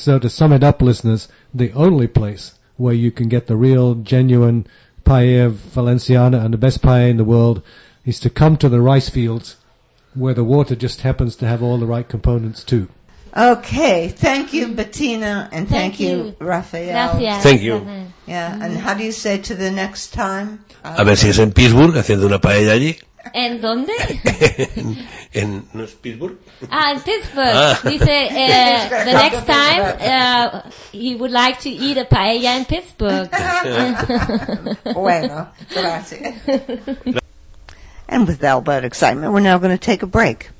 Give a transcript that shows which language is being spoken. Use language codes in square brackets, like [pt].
[en] So, to sum it up, listeners, the only place where you can get the real, genuine paella valenciana and the best paella in the world is to come to the rice fields, where the water just happens to have all the right components too. Okay, thank you, Bettina, and thank you, Rafael. [es] Gracias. [en] Thank you. Yeah, and how do you say to the next time? [es] A ver si es en Pittsburgh haciendo una paella allí. ¿En dónde? ¿En no es Pittsburgh? Ah, en Pittsburgh. Dice, [en] the next time he would like to eat a paella in Pittsburgh. [es] Bueno, gracias. [en] And with all that excitement, we're now going to take a break.